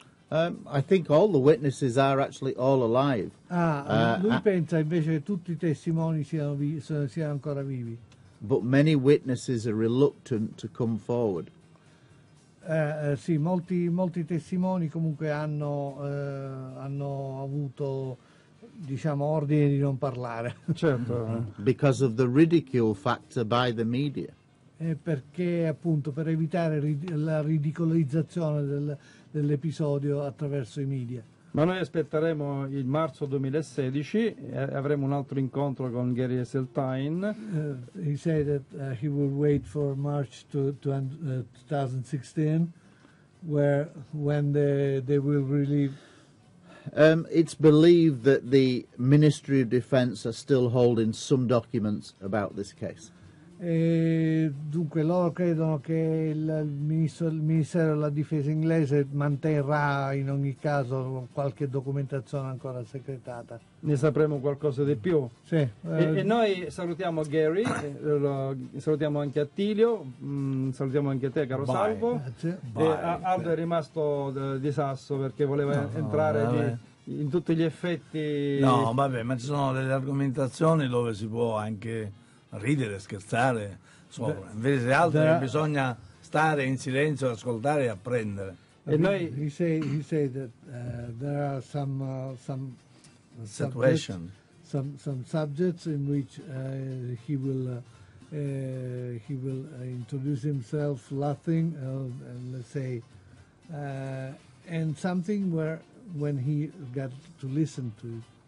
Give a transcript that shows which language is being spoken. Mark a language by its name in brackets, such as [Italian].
[English] I think all the witnesses are actually all alive. [Italian] Lui pensa invece che tutti i testimoni siano ancora vivi. [English] But many witnesses are reluctant to come forward. [Italian] Sì, molti testimoni comunque hanno avuto, diciamo, ordine di non parlare. Certo. [English] Because of the ridicule factor by the media. [Italian] Perché appunto per evitare la ridicolizzazione dell'episodio attraverso i media. Ma noi aspetteremo il marzo 2016 e avremo un altro incontro con Gary Esseltine. [English] He said that he will wait for March to 2016, where when they will release. It's believed that the Ministry of Defense are still holding some documents about this case. [Italian] E dunque loro credono che il ministero della difesa inglese manterrà in ogni caso qualche documentazione ancora segretata. Ne sapremo qualcosa di più. Sì. E noi salutiamo Gary, salutiamo anche Attilio, salutiamo anche te, caro. [English] Bye. [Italian] Salvo. E Aldo è rimasto di sasso perché voleva entrare in tutti gli effetti. No, vabbè, ma ci sono delle argomentazioni dove si può anche ridere, scherzare sopra, invece altro bisogna stare in silenzio, ascoltare e apprendere. E noi [English] he say that there are some situation subjects, some subjects in which he will introduce himself laughing, let's say, and something where when he got to listen to it.